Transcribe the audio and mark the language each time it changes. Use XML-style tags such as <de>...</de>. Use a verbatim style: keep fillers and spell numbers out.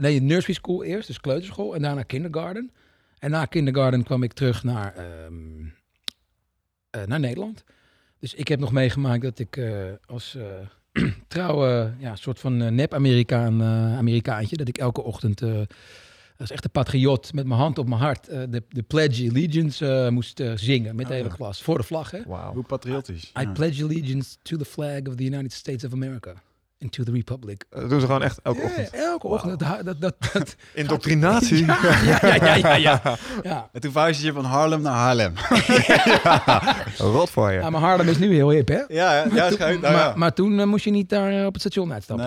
<nl>Nee, nursery school eerst, dus kleuterschool. En daarna kindergarten. En na kindergarten kwam ik terug naar, um, uh, naar Nederland. Dus ik heb nog meegemaakt dat ik uh, als uh, trouwe, ja, soort van uh, nep-Amerikaan, uh, Amerikaantje, dat ik elke ochtend uh, als echte patriot met mijn hand op mijn hart uh, de, de Pledge Allegiance uh, moest uh, zingen met de oh, hele klas. Ja. Voor de vlag, hè? Wow. Hoe patriotisch.</nl> <en>I, I ja. pledge allegiance to the flag of the United States of America. Into the Republic.</en> <nl>Dat doen ze gewoon echt elke ochtend. Ja, elke ochtend. Wow. Dat, dat, dat, Indoctrinatie. Ja, ja, ja, ja, ja, ja. En toen verhuisde je van Harlem naar Haarlem. Ja. Rot voor je. Ja, maar Haarlem is nu heel hip, hè? Ja, ja, maar, ja, toen, nou, maar, ja. maar toen uh, moest je niet daar uh, op het station uitstappen.</nl>